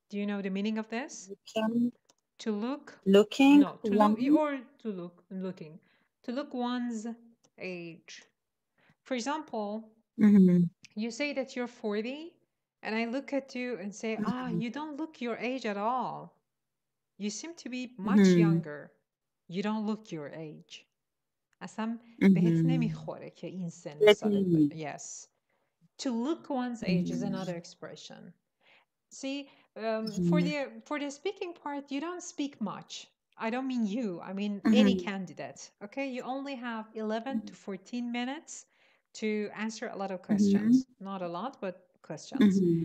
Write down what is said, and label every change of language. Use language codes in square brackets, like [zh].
[en] Do you know the meaning of this? To look one's age. For example, you say that you're 40, And I look at you and say, ah, you don't look your age at all. You seem to be much younger. You don't look your age. [fa] اصلا بهت نمیخوره که این سن سالت. [en] Yes. To look one's age is another expression. See, for the speaking part, you don't speak much. I don't mean you. I mean any candidate. Okay? You only have 11 to 14 minutes to answer a lot of questions. Not a lot, but questions.